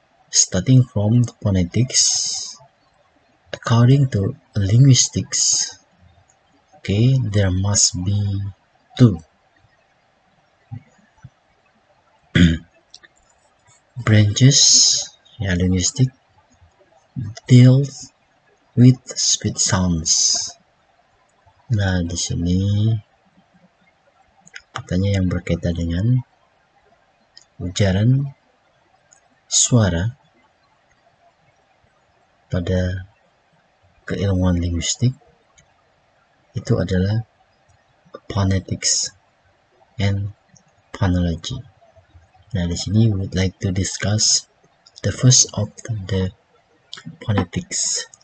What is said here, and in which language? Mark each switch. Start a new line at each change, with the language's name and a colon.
English: Starting from phonetics, according to linguistics, okay, there must be two: branches, yeah, linguistic deals with speech sounds.
Indonesian: Nah, di sini katanya yang berkaitan dengan ujaran suara pada keilmuan linguistik itu adalah phonetics and phonology. Nah, di sini
English: we would like to discuss the first of the phonetics.